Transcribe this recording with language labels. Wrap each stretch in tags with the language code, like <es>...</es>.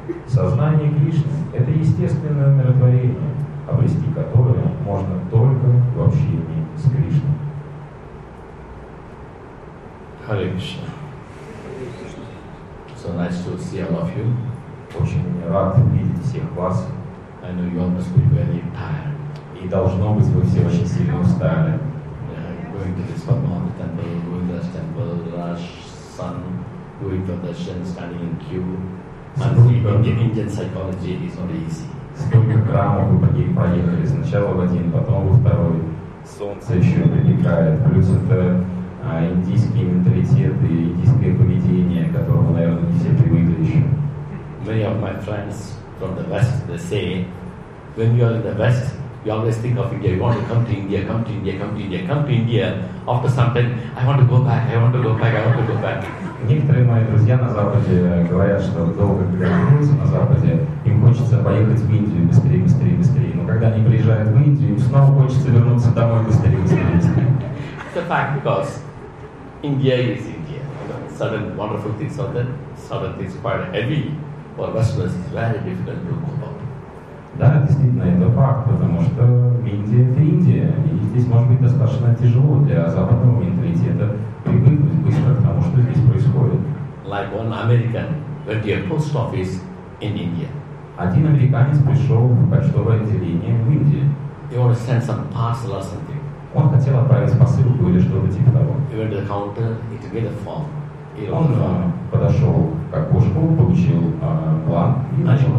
<ru>Сознание Кришны – это естественное умиротворение, обрести которое можно только в общении с Кришной. Харе Кришна.</ru> <en>So nice to see all of you.</en> <ru>Очень рад видеть всех вас.</ru> <en>I know you must be very tired.</en> <ru>И должно быть, вы все очень сильно устали.</ru> <en>Going to this Padmanabha temple, going to this temple, rush, sun, going to the shin, standing in queue. And the Indian psychology is not easy.</en> <ru>Сколько храмов вы проехали? Сначала в один, потом во второй. Солнце еще припекает. Плюс это индийский менталитет и индийское поведение, к которому, наверное, не все привыкли еще.</ru> <en>Many of my friends from the West, they say, when you are in the West, you always think of India. You want to come to India, come to India, come to India, come to India. After some time, I want to go back, I want to go back, I want to go back.</en> <ru>Некоторые мои друзья на Западе говорят, что долго вернуться на Западе, им хочется поехать в Индию быстрее, быстрее, быстрее. Но когда они приезжают в Индию, им снова хочется вернуться домой быстрее, быстрее, быстрее.</ru> <en>It's a fact, because India is India. Certain wonderful things are there, certain things quite heavy. For Westerners, it's very difficult to go about.</en> <ru>Да, действительно, это факт, потому что Индия – это Индия. И здесь может быть достаточно тяжело для западного менталитета привыкнуть быстро к тому, что здесь происходит.</ru> <en>Like one American went to a post office in India.</en> <ru>Один американец пришел в почтовое отделение в Индии.</ru> <en>He wanted to send some parcel or something.</en> <ru>Он хотел отправить посылку или что-то типа того.</ru> <en>He went to the counter, he took the form.</en> <ru>Подошел к окошку, получил план и начал</ru>